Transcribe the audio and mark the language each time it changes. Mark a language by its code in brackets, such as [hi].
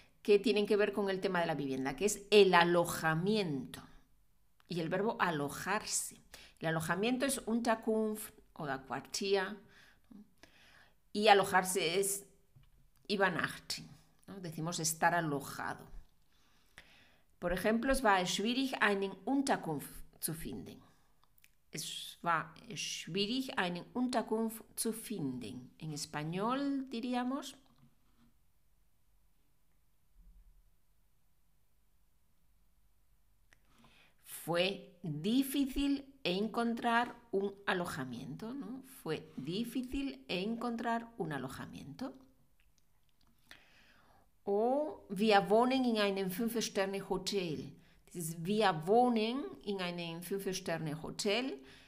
[es] que tienen que ver con el tema de la vivienda, que es el alojamiento y el verbo alojarse. El alojamiento es Unterkunft o la cuartía, y alojarse es übernachten, ¿no? Decimos estar alojado. Por ejemplo, [de] es war schwierig, einen Unterkunft zu finden. Es war schwierig, einen Unterkunft zu finden. [es] En español diríamos. Fue difícil encontrar un alojamiento, ¿no? Fue difícil encontrar un alojamiento. [de] O wir wohnen in einem 5-Sterne-Hotel. Dieses wir wohnen in einem 5-Sterne-Hotel.